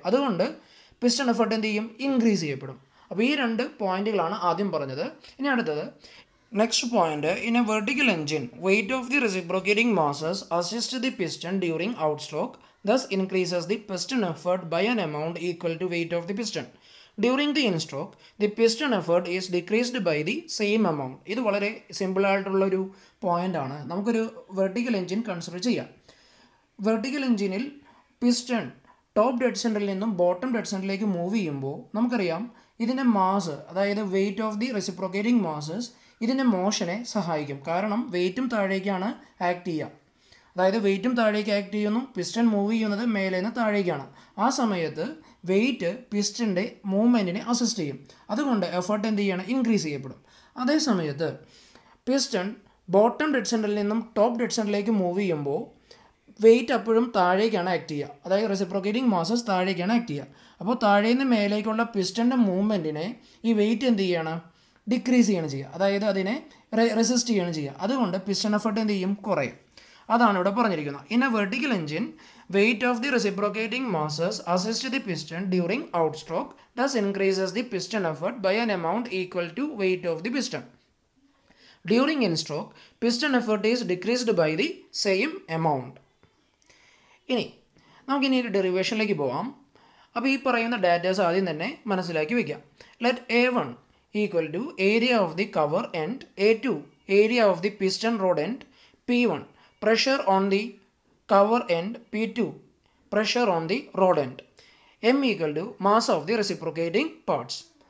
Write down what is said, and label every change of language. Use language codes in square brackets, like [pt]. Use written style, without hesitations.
[ml] അതുകൊണ്ട് piston effort എന്ത് ചെയ്യും? ഇൻക്രീസ് ചെയ്യപ്പെടും. അപ്പോൾ ഈ രണ്ട് പോയിന്റുകളാണ് ആദ്യം പറഞ്ഞത്. ഇനി അടുത്തത്, next point, in A vertical engine weight of the reciprocating masses assist the piston during out stroke [en] thus increases the piston effort by an amount equal to weight of the piston. During the instroke, the piston effort is decreased by the same amount. [ml] ഇത് വളരെ സിമ്പിളായിട്ടുള്ളൊരു point ആണ്. നമുക്കൊരു vertical engine consider ചെയ്യാം. Vertical എഞ്ചിനിൽ piston top dead സെൻറ്ററിൽ നിന്നും bottom dead സെൻറ്ററിലേക്ക് move ചെയ്യുമ്പോൾ നമുക്കറിയാം ഇതിൻ്റെ മാസ്, അതായത് weight of the reciprocating masses ഇതിൻ്റെ മോഷനെ സഹായിക്കും. കാരണം വെയ്റ്റും താഴേക്കാണ് ആക്ട് ചെയ്യുക, അതായത് വെയ്റ്റും താഴേക്ക് ആക്ട് ചെയ്യുന്നു, പിസ്റ്റൺ മൂവ് ചെയ്യുന്നത് മേലെ നിന്ന് താഴേക്കാണ്. ആ സമയത്ത് വെയ്റ്റ് പിസ്റ്റൻ്റെ മൂവ്മെൻറ്റിനെ അസിസ്റ്റ് ചെയ്യും. അതുകൊണ്ട് എഫേർട്ട് എന്ത് ചെയ്യണം? ഇൻക്രീസ് ചെയ്യപ്പെടും. അതേസമയത്ത് പിസ്റ്റൺ ബോട്ടം ഡെഡ് സെൻറ്ററിൽ നിന്നും ടോപ്പ് ഡെഡ് സെൻറ്ററിലേക്ക് മൂവ് ചെയ്യുമ്പോൾ വെയ്റ്റ് അപ്പോഴും താഴേക്കാണ് ആക്ട് ചെയ്യുക, അതായത് റെസിപ്രോക്കേറ്റിംഗ് മാസസ് താഴേക്കാണ് ആക്ട് ചെയ്യുക. അപ്പോൾ താഴെ നിന്ന് മേലേക്കുള്ള പിസ്റ്റൻ്റെ മൂവ്മെൻറ്റിനെ ഈ വെയ്റ്റ് എന്ത് ചെയ്യണം? ഡിക്രീസ് ചെയ്യണം ചെയ്യുക, അതായത് അതിനെ റെസിസ്റ്റ് ചെയ്യണം ചെയ്യുക. അതുകൊണ്ട് പിസ്റ്റൺ എഫേർട്ട് എന്ത് ചെയ്യും? കുറയും. അതാണ് ഇവിടെ പറഞ്ഞിരിക്കുന്നത്. In A vertical engine [en] weight of the reciprocating masses assist the piston during outstroke, thus increases the piston effort by an amount equal to weight of the piston. During instroke, piston effort is decreased by the same amount. [ml] ഇനി നമുക്ക് ഇനി ഒരു ഡെറിവേഷനിലേക്ക് പോകാം. അപ്പോൾ ഈ പറയുന്ന datas ആദ്യം തന്നെ മനസ്സിലാക്കി വയ്ക്കാം. Let A one equal to area of the cover end, A to area of the piston road end, P one pressure on the cover end, P two pressure on the road end, M equal to mass of the reciprocating parts.